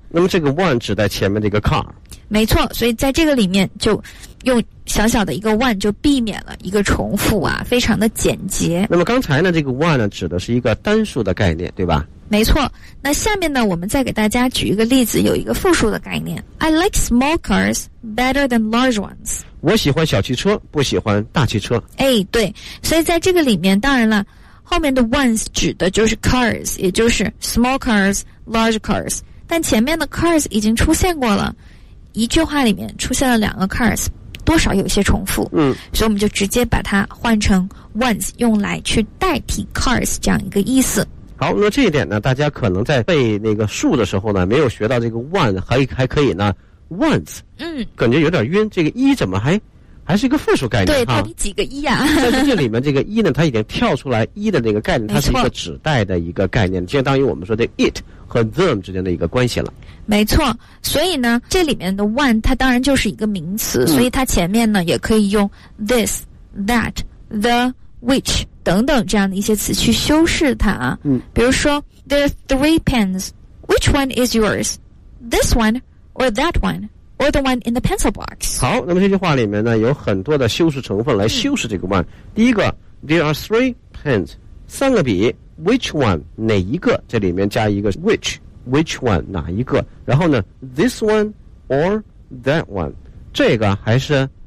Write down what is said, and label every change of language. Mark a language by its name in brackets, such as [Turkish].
[Chinese] 那么这个 one 指在前面的一个 car。没错，所以在这个里面就用小小的一个 one 就避免了一个重复啊，非常的简洁。那么刚才呢这个 one 呢指的是一个单数的概念，对吧？没错。那下面呢我们再给大家举一个例子，有一个复数的概念。 [English] I like small cars better than large ones。 [Chinese] 我喜欢小汽车不喜欢大汽车。哎，对，所以在这个里面当然了后面的 ones 指的就是 cars， 也就是 small cars large cars， 但前面的 cars 已经出现过了，一句话里面出现了两个 cars， 多少有些重复。所以我们就直接把它换成 once， 用来去代替 cars 这样一个意思。好，那这一点呢大家可能在背那个数的时候呢没有学到这个 one， 还可以呢 once。感觉有点晕，这个一怎么还是一个复数概念。对，到底几个一啊。但是这里面这个一呢它已经跳出来一的那个概念，它是一个指代的一个概念，相当于我们说的 it 和 them 之间的一个关系了。没错，所以呢这里面的 one 它当然就是一个名词，所以它前面呢也可以用 this, that, the, which 等等这样的一些词去修饰它啊。比如说 [English] there are three pens, which one is yours? This one or that one or the one in the pencil box? [Chinese] 好，那么这句话里面呢有很多的修饰成分来修饰这个 one。第一个 there are three pens， 三个笔， which one 哪一个，这里面加一个 whichwhich one 哪一个，然后呢 this one or that one 这个还是